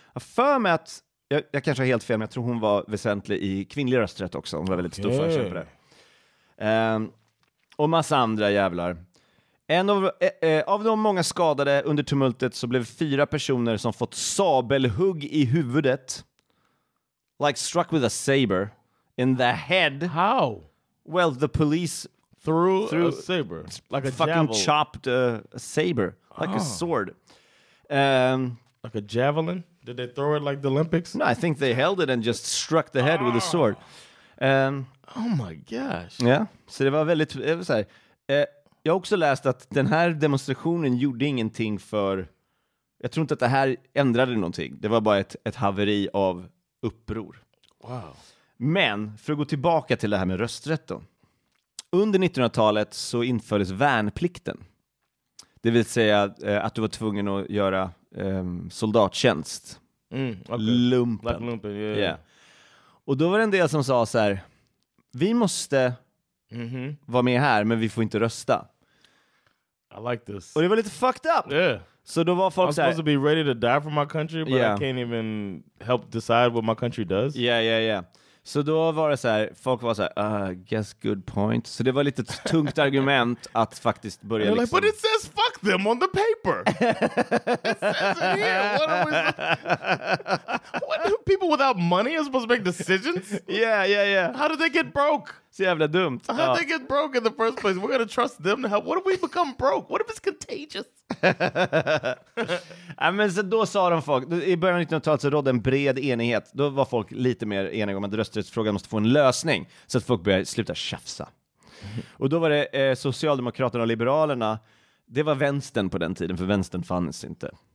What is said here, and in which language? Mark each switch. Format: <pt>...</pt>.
<sv>För mig att, jag kanske har helt fel, men jag tror hon var väsentlig i kvinnlig rösträtt också. Hon var väldigt stor förkämpare. Och massa andra jävlar. En av de många skadade under tumultet så blev 4 personer som fått sabelhugg i huvudet.</sv> <en>Like struck with a saber in the head. How? Well, the police... Through a saber. Like a fucking javel. Chopped a saber. Like a sword. Like a javelin? Did they throw it like the Olympics? No, I think they held it and just struck the head with a sword. Oh my gosh.</en> <sv>Yeah. Så det var väldigt... Jag vill säga, jag har också läst att den här demonstrationen gjorde ingenting för... Jag tror inte att det här ändrade någonting. Det var bara ett haveri av uppror.</sv> <en>Wow.</en> <sv>Men för att gå tillbaka till det här med rösträtt då. Under 1900-talet så infördes värnplikten. Det vill säga att du var tvungen att göra soldattjänst. Lumpen. Yeah.</sv> <en>Yeah.</en> <sv>Och då var det en del som sa så här: vi måste vara med här, men vi får inte rösta.</sv> <en>I like this.</en> <sv>Och det var lite fucked up.</sv> <en>Yeah.</en> <sv>Så då var folk</sv> <en>I'm supposed to be ready to die for my country, but I can't even help decide what my country does. Yeah.</en> <sv>Så då var det så här, folk var så här,</sv> <en>guess good point.</en> <sv>Så det var lite tungt argument att faktiskt börja liksom...</sv> <en>But it says fuck them on the paper. It says it here. What people without money are supposed to make decisions? Yeah. How did they get broke?</en> <sv>Så jävla dumt.</sv> <en>How did they get broke in the first place? We're gonna trust them to help. What if we become broke? What if it's contagious?</en> <sv>Ja, men så då sa de folk, i början av 1900-talet så rådde en bred enighet. Då var folk lite mer eniga om att rösträttsfrågan måste få en lösning, så att folk började sluta tjafsa. Och då var det Socialdemokraterna och Liberalerna. Det var vänstern på den tiden, för vänstern fanns inte.</sv>